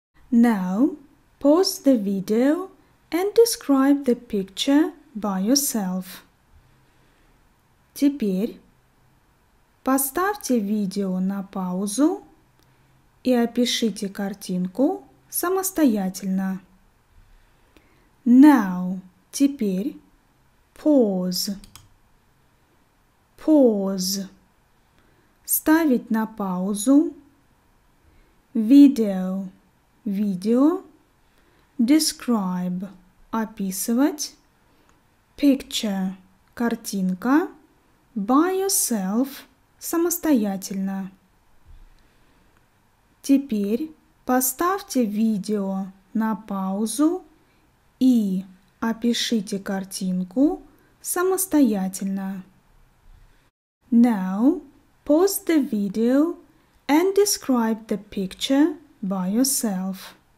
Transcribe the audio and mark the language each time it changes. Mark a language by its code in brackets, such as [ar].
[en] Now, pause the video and describe the picture by yourself. [ru] Теперь поставьте видео на паузу и опишите картинку самостоятельно. [en] Now, [ru] теперь, [en] pause. Pause. [ru] ставить на паузу, video – видео, describe – описывать, picture – картинка, [en] by yourself [ru] – самостоятельно. Теперь поставьте видео на паузу и опишите картинку самостоятельно. [en] Now, pause the video and describe the picture by yourself.